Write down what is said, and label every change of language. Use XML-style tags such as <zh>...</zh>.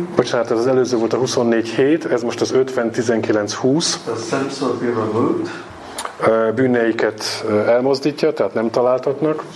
<hu>Bocsánat, ez az előző volt a 24-7, ez most az 50-19-20.</hu> <en>The sins will be removed.</en> <hu>Bűneiket elmozdítja, tehát nem találtatnak.</hu>